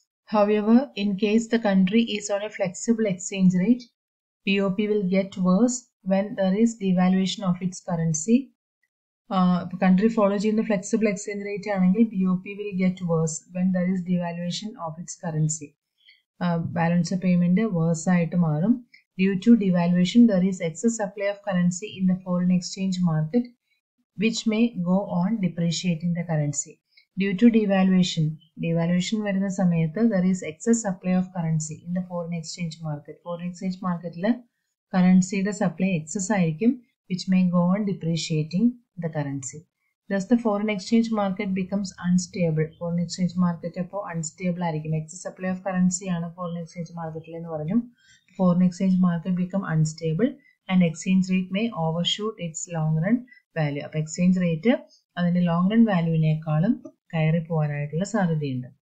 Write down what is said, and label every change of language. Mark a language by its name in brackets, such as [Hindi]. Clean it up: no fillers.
[English] However in case the country is on a flexible exchange rate POP will get worse when there is devaluation of its currency. [Malayalam] ഇപ്പോൾ country follow ചെയ്യുന്ന flexible exchange rate ആണെങ്കിൽ [English] POP will get worse when there is devaluation of its currency. [Malayalam] Balance of payment verse ആയിട്ട് മാറും. [English] Due to devaluation, there is excess supply of currency in the foreign exchange market, which may go on depreciating the currency. Due to devaluation [Malayalam] devaluation വരുന്ന സമയത്ത് [English] there is excess supply of currency in the foreign exchange market [Malayalam] foreign exchange മാർക്കറ്റിൽ കറൻസിയുടെ supply excess ആയിരിക്കും [English] which may go on depreciating the currency thus the [Malayalam] foreign exchange market becomes unstable foreign exchange market അപ്പോൾ unstable ആയിരിക്കും excess supply of കറൻസിയാണ് foreign exchange മാർക്കറ്റിൽ എന്ന് പറഞ്ഞു [English] foreign exchange market become unstable and exchange rate may overshoot its long run value [Malayalam] അപ്പോൾ exchange rate അതിൻ്റെ long run വാല്യൂവിനേക്കാളും കയറി പോകാനായിട്ടുള്ള സാധ്യതയുണ്ട്